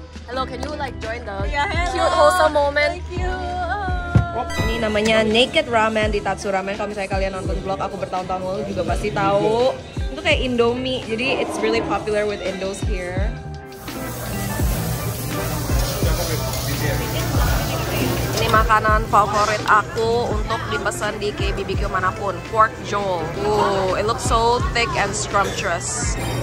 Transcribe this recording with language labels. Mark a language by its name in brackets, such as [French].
[English] Hello, can you like join the cute wholesome moment? Thank you. [Indonesian] Ini namanya Naked Ramen di Tatsu Ramen. Kalau misalnya kalian nonton vlog aku bertahun-tahun lalu juga pasti tahu. Itu kayak Indomie, jadi [English] it's really popular with Indos here. [Indonesian] Ini makanan favorit aku untuk dipesan di KBBQ manapun, pork joel. [English] Ooh, it looks so thick and scrumptious.